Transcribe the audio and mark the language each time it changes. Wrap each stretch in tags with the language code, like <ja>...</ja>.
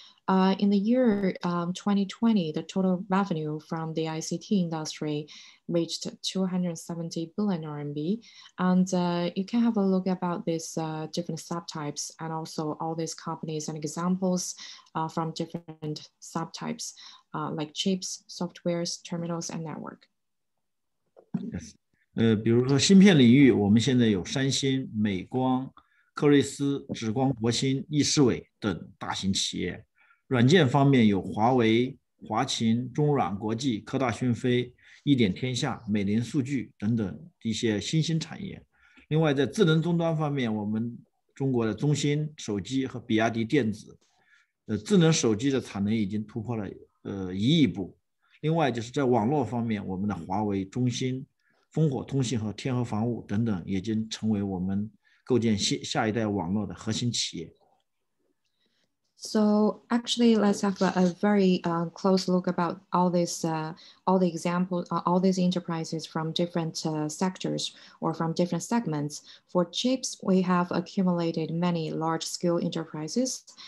<en>In the year 2020, the total revenue from the ICT industry reached 270 billion RMB. And you can have a look about these different subtypes and also all these companies and examples from different subtypes like chips, softwares, terminals, and network. Yes.</en> <zh>比如说芯片领域，我们现在有三星、美光、科瑞斯、紫光国芯、易思伟等大型企业。软件方面有华为、华勤、中软国际、科大讯飞、一点天下、美林数据等等一些新兴产业。另外在智能终端方面，我们中国的中兴手机和比亚迪电子，智能手机的产能已经突破了一亿部。另外就是在网络方面，我们的华为、中兴、烽火通信和天河防务等等已经成为我们构建下一代网络的核心企业。</zh> <en>So actually, let's have a very close look about all these all the examples, all these enterprises from different sectors or from different segments. For chips, we have accumulated many large-scale enterprises.</en>